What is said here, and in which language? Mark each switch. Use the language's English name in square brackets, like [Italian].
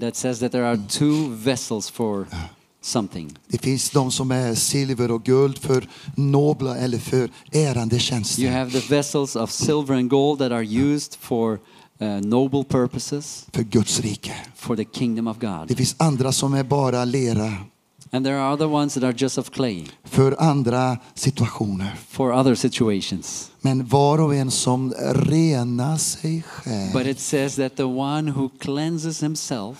[English] that says that there are two vessels for something. [Swedish] Det finns de som är silver och guld för nobla eller för ärande tjänster. [English] You have the vessels of silver and gold that are used for noble purposes. [Swedish] För Guds rike. [English] For the kingdom of God. [Swedish] Det finns andra som är bara lera. [English] And there are other ones that are just of clay. [Swedish] För andra situationer. [English] For other situations. [Swedish] Men var och en som renar sig själv. [English] But it says that the one who cleanses himself.